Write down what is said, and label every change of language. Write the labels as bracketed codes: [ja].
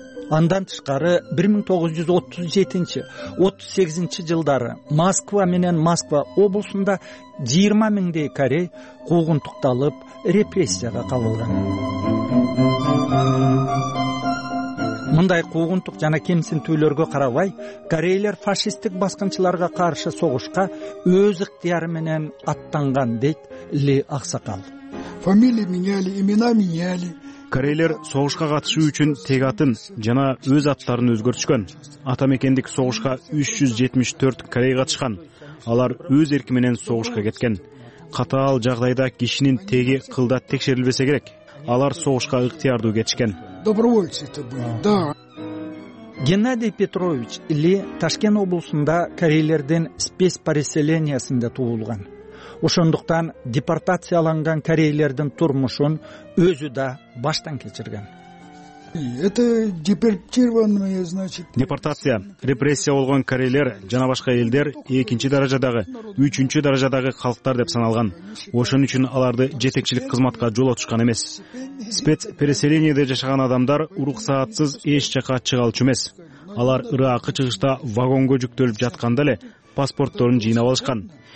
[ky] Андан тышкары 1937-38 жылдары Москва менен Москва облусунда 20000дей корей куугунтукталып репрессияга кабылган. Мындай куугунтук жана кемсинтүүлөргө карабай, корейлер фашисттик баскынчыларга каршы согушка өз ыктыяры менен аттанган, дейт Ли Аксакал. [ru] Фамилия меняли, имена меняли. [ky] Корейлер согушка катышуу үчүн тег атын жана өз аттарын өзгөртүшкөн. Ата мекендик согушка 374 корей катышкан. Алар өз эрки менен согушка кеткен. Катаал жагдайда кишинин теги кылда текшерилбесе керек. Алар согушка ыктыярдуу кетишкен. [ru] Добровольцы это были, да. [ky] Геннадий Петрович Ли Ташкент облусунда корейлердин спецпереселениясында туулган. Ошондуктан депортацияланган корейлердин турмушун өзү да баштан кечирген. [ru] Это депортированные, значит. [ky] Депортация, репрессия болгон корейлер жана башка элдер 2-чи даражадагы, 3-чү даражадагы халктар деп саналган. Ошон үчүн аларды жетекчилик кызматка жолотушкан эмес. Спецпереселениеде жашаган адамдар уруксаатсыз эч жака чыга алчу эмес. Алар ыраакы чыгышта вагонго жүктөлүп жатканда эле паспортторун жыйнап алышкан.